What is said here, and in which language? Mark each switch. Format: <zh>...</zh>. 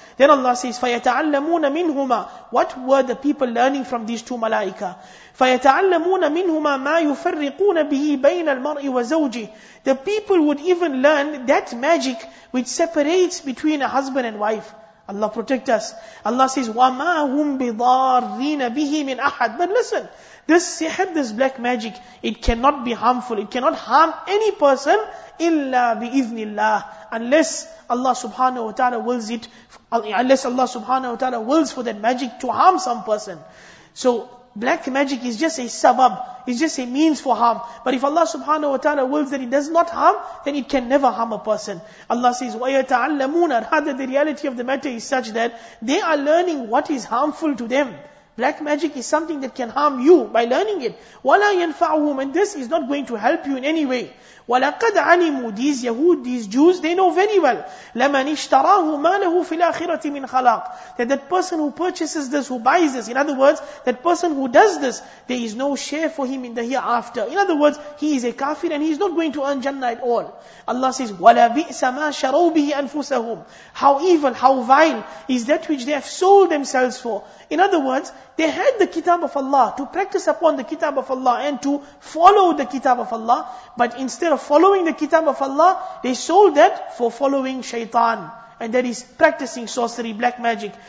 <en>Then Allah says,</en> <ar>فَيَتَعَلَّمُونَ مِنْهُمَا.</ar> <en>What were the people learning from these two malaika?</en> <ar>فَيَتَعَلَّمُونَ مِنْهُمَا مَا يُفَرِّقُونَ بِهِ بَيْنَ الْمَرْءِ وَزَوْجِهِ.</ar> <en>The people would even learn that magic which separates between a husband and wife. Allah protect us. Allah says,</en> <ar>وَمَا هُمْ بِضَارِّينَ بِهِ مِنْ أَحَدٍ.</ar> <en>But listen, this sihr, this black magic, it cannot be harmful. It cannot harm any person,</en> <ar>إِلَّا بِإِذْنِ اللَّهِ.</ar> <en>Unless Allah subhanahu wa ta'ala wills it, unless Allah subhanahu wa ta'ala wills for that magic to harm some person. So, black magic is just a sabab, it's just a means for harm. But if Allah subhanahu wa ta'ala wills that it does not harm, then it can never harm a person. Allah says, وَيَتَعَلَّمُونَ. Rather, the reality of the matter is such that they are learning what is harmful to them. Black magic is something that can harm you by learning it.</en> <ar>وَلَا يَنْفَعُهُمْ.</ar> <en>And this is not going to help you in any way.</en> <ar>وَلَقَدْ عَلِمُوا.</ar> <en>These Yahud, these Jews, they know very well.</en> <ar>لَمَنِ اشْتَرَاهُ مَالَهُ فِي الْآخِرَةِ مِنْ خَلَاقٍ.</ar> <en>That person who purchases this, who buys this, in other words, that person who does this, there is no share for him in the hereafter. In other words, he is a kafir and he is not going to earn Jannah at all. Allah says,</en> <ar>وَلَا بِئْسَ مَا شَرَوْ بِهِ أَنفُسَهُمْ.</ar> <en>How evil, how vile is that which they have sold themselves for. In other words, they had the Kitab of Allah to practice upon the Kitab of Allah and to follow the Kitab of Allah, but instead of following the Kitab of Allah, they sold that for following Shaitan. And that is practicing sorcery, black magic.</en>